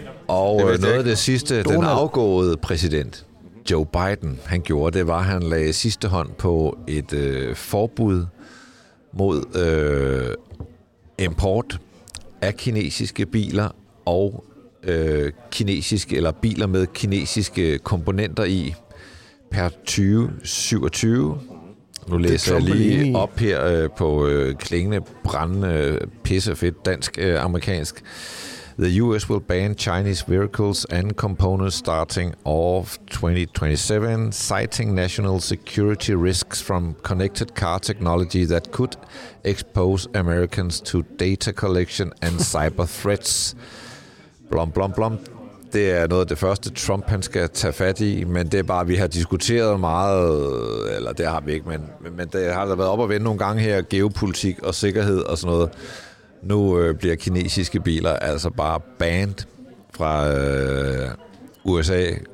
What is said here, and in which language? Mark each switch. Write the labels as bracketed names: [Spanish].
[Danish] Og noget af det sidste, Donald. Den afgåede præsident, Joe Biden, han gjorde, det var, at han lagde sidste hånd på et forbud mod import af kinesiske biler og kinesiske, eller biler med kinesiske komponenter i per 2027. Nu læser jeg lige op her på klingende, brændende, pissefedt dansk-amerikansk. [English] The U.S. will ban Chinese vehicles and components starting of 2027, citing national security risks from connected car technology that could expose Americans to data collection and cyber threats. Blom, blom, blom. [Danish] Det er noget af det første, Trump han skal tage fat i, men det er bare, vi har diskuteret meget, eller det har vi ikke, men det har der været op at vende nogle gange her, geopolitik og sikkerhed og sådan noget. Nu bliver kinesiske biler altså bare banned fra USA.